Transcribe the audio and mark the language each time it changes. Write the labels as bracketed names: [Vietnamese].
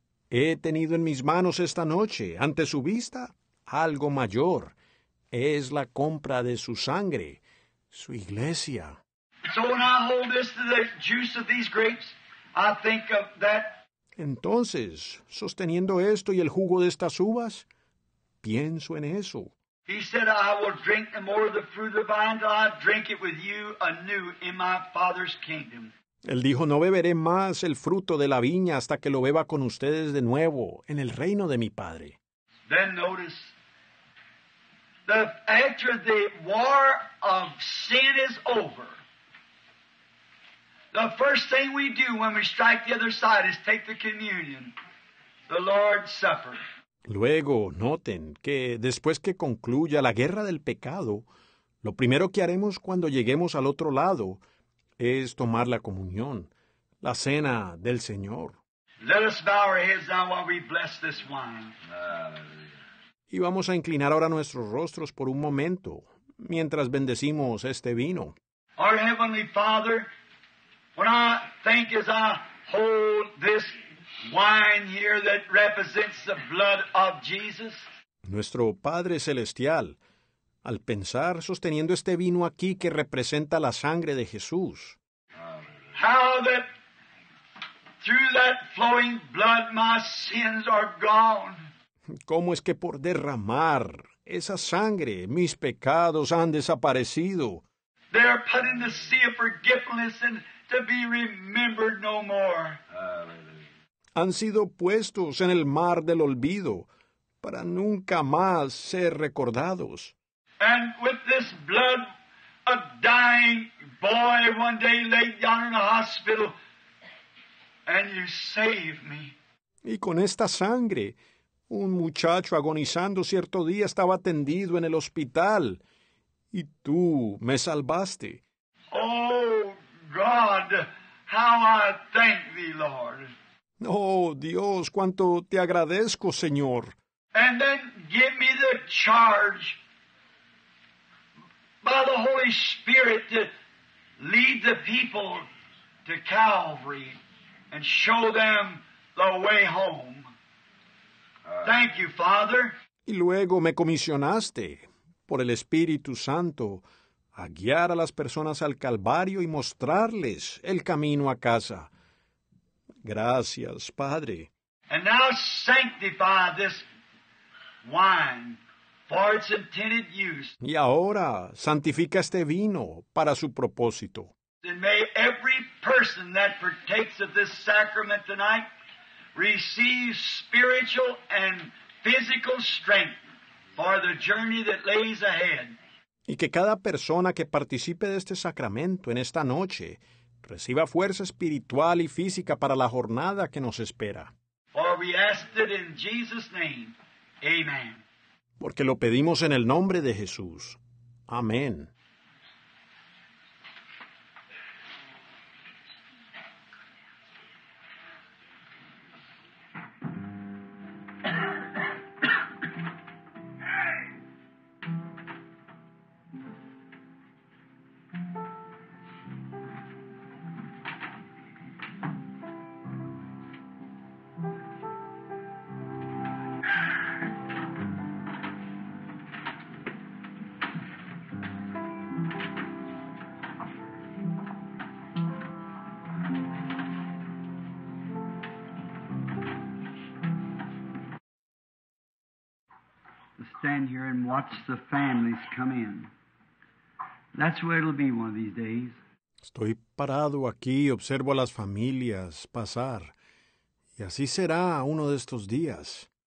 [Spanish] He tenido en mis manos esta noche, ante su vista, algo mayor. Es la compra de su sangre, su iglesia. [English] So when I hold this to the juice of these grapes, I think of that. [Spanish] Entonces, sosteniendo esto y el jugo de estas uvas, pienso en eso. [English] He said, I will drink the more of the fruit of the vine till I drink it with you anew in my Father's kingdom. [Spanish] Él dijo, no beberé más el fruto de la viña hasta que lo beba con ustedes de nuevo en el reino de mi Padre. [English] Then notice, after the war of sin is over, the first thing we do when we strike the other side is take the communion, the Lord's Supper. [Spanish] Luego, noten que después que concluya la guerra del pecado, lo primero que haremos cuando lleguemos al otro lado es tomar la comunión, la cena del Señor. [English] Let us bow our heads now while we bless this wine. [Spanish] Y vamos a inclinar ahora nuestros rostros por un momento, mientras bendecimos este vino. [English] Our Heavenly Father, when I think as I hold this wine here that represents the blood of Jesus. [Spanish] Nuestro Padre Celestial, al pensar sosteniendo este vino aquí que representa la sangre de Jesús. [English] How that through that flowing blood my sins are gone. [Spanish] ¿Cómo es que por derramar esa sangre mis pecados han desaparecido? [English] They are put in the sea of forgiveness and to be remembered no more. [Spanish] Han sido puestos en el mar del olvido para nunca más ser recordados. [English] And with this blood, a dying boy one day laid down in a hospital, and you saved me. [Spanish] Y con esta sangre, un muchacho agonizando cierto día estaba tendido en el hospital, y tú me salvaste. [English] Oh, God, how I thank thee, Lord. [Spanish] Oh, Dios, cuánto te agradezco, Señor. [English] And then give me the charge by the Holy Spirit to lead the people to Calvary and show them the way home. Thank you, Father. [Spanish] Y luego me comisionaste por el Espíritu Santo a guiar a las personas al Calvario y mostrarles el camino a casa. Gracias, Padre. [English] And now sanctify this wine for its intended use. [Spanish] Y ahora santifica este vino para su propósito. [English] And may every person that partakes of this sacrament tonight receive spiritual and physical strength for the journey that lays ahead. [Spanish] Y que cada persona que participe de este sacramento en esta noche reciba fuerza espiritual y física para la jornada que nos espera. [English] For we ask it in Jesus' name. Amen. [Spanish] Porque lo pedimos en el nombre de Jesús. Amén. [English] Stand here and watch the families come in. That's where it'll be one of these days. [Spanish] Estoy parado aquí, observo a las familias pasar, y así será uno de estos días.